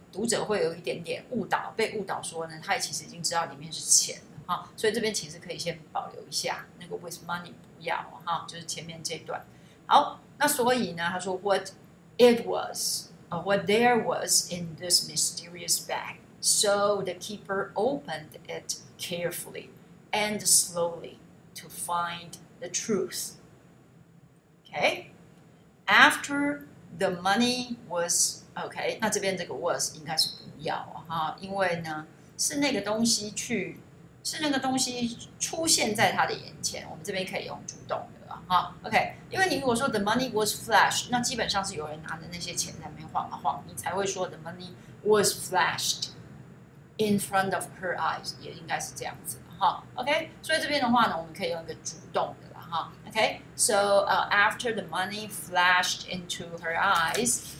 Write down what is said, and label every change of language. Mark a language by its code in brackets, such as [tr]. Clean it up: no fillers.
[zh] 读者会有一点点误导，被误导说呢，他其实已经知道里面是钱了，所以这边其实可以先保留一下那个 [en] with money [zh] 不要，就是前面这段。好，那所以呢，他说 [en] what it was， what there was in this mysterious bag， so the keeper opened it carefully and slowly to find the truth。 Okay， after the money wasOK， [zh] 那这边这个 [en] was [zh] 应该是不要啊，因为呢是那个东西去，是那个东西出现在他的眼前，我们这边可以用主动的啊。 OK， 因为你如果说 [en] the money was flashed， [zh] 那基本上是有人拿着那些钱在那边晃啊晃，你才会说 [en] the money was flashed in front of her eyes， [zh] 也应该是这样子的哈。 OK， 所以这边的话呢，我们可以用一个主动的啦哈。 [en] OK， so after the money flashed into her eyes。